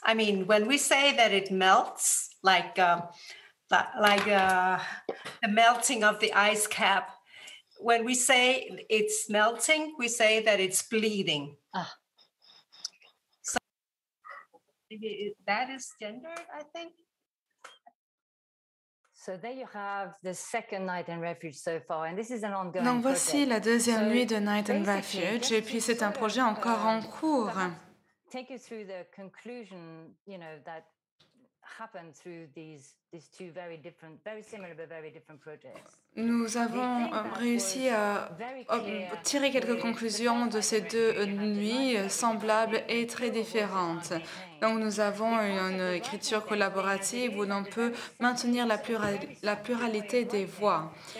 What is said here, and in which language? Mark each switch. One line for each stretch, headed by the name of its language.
English: I mean, when we say that it melts, like the melting of the ice cap, when we say it's melting, we say that it's bleeding. So that is gendered, I think. So there you have the second night in refuge so far, and this is an ongoing
French: project. Donc voici la deuxième nuit de Night in Refuge, et puis c'est un projet encore en cours.
English: Take us through the conclusion, you know, that happened through these two very different, very similar but very different projects.
French: Nous avons réussi à tirer quelques conclusions de ces deux nuits semblables et très différentes. Donc nous avons une écriture collaborative où l'on peut maintenir la pluralité des voix.